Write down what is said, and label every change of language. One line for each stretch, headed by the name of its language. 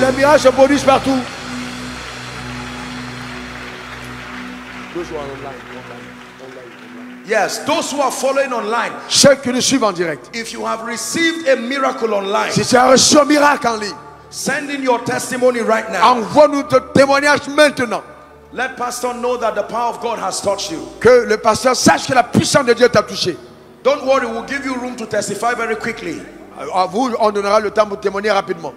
French: Les miracles se produisent partout.
English: Yes, those who are following online.
French: Ceux qui nous suivent en direct.
English: If you have received a miracle online.
French: Si tu as reçu un miracle en ligne.
English: Send in your testimony right now.
French: Envoie-nous ton témoignage maintenant.
English: Let pastor know that the power of God has touched you.
French: Que le pasteur sache que la puissance de Dieu t'a touché.
English: Don't worry, we'll give you room to testify very quickly.
French: Vous, on donnera le temps pour témoigner rapidement.